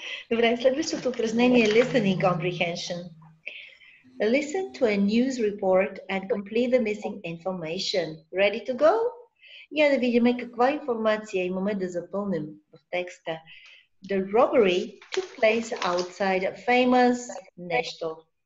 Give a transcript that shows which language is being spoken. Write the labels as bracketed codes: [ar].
[bg] Добре, следващото упражнение е listening comprehension. [en] Listen to a news report and complete the missing information. Ready to go? [bg] Я да видим каква информация имаме да запълним в текста. [en] The robbery took place outside a famous нещо.